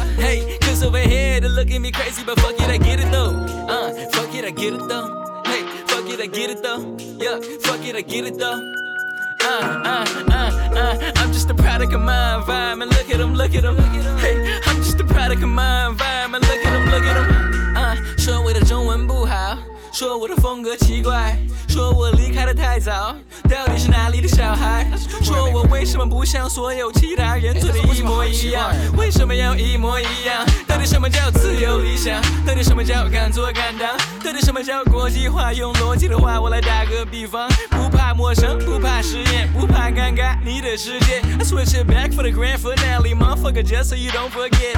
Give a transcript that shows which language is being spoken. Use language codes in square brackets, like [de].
[en] Hey, cause over here they look at me crazy, but fuck it, I get it though. Fuck it, I get it though. Hey, fuck it, I get it though. Yeah, fuck it, I get it though. I'm just a product of my environment. Look at them, look at them. Hey, I'm just a product of my environment. Look at them, look at them. [zh] 说我的中文不好，说我的风格奇怪，说我离开的太早，到底是哪里的小孩？说我为什么不像所有其他人做的一模一样？为什么要一模一样？到底什么叫自由理想？到底什么叫敢做敢当？到底什么叫国际化？用逻辑的话我来打个比方，不怕陌生，不怕实验，不怕尴尬，你的世界。 [en] I switch it back for the grand finale, motherfucker, just so you don't forget.